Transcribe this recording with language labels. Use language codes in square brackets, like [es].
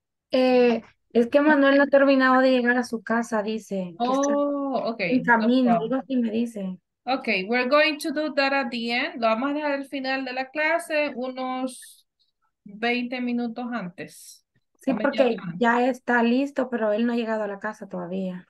[es] Es que Manuel no ha terminado de llegar a su casa, dice. Okay. En camino, algo así me dice. [en] Okay, we're going to do that at the end. [es] Lo vamos a dejar al final de la clase, unos 20 minutos antes. Sí, porque ya está listo, pero él no ha llegado a la casa todavía.